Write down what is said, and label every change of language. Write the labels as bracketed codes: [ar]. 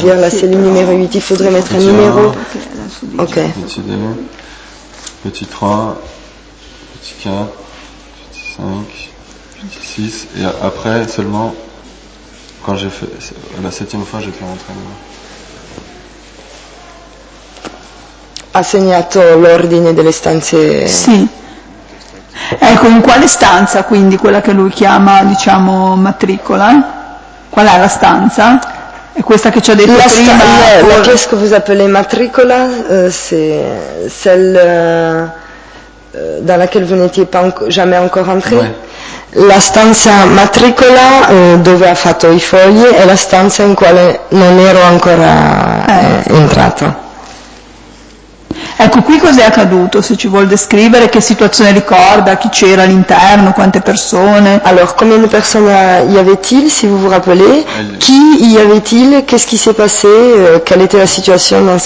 [fr] dire la cellule numéro 8. Il faudrait mettre un Petit numéro. 1, Ok. petit 2, petit 3, petit 4, petit 5, petit 6, et après seulement, quand j'ai fait la septième fois, j'ai pu rentrer dedans. [it] Ha segnato l'ordine delle stanze. Sì. Ecco, in quale stanza quindi quella che lui chiama, diciamo, matricola? Qual è la stanza? È questa che ci ha detto prima? [fr] La pièce che vous appelez matricola, c'est celle dans laquelle vous n'étiez pas jamais encore entré. Ouais. [it] La stanza matricola, dove ha fatto i fogli, è la stanza in quale non ero ancora entrato. Ecco, qui cos'è accaduto, se ci vuol descrivere che situazione ricorda, chi c'era all'interno, quante persone. [fr] Alors, combien de personnes y avait-il, si vous vous rappelez? Qui y avait-il? Qu'est-ce qui s'est passé? Quelle était la situation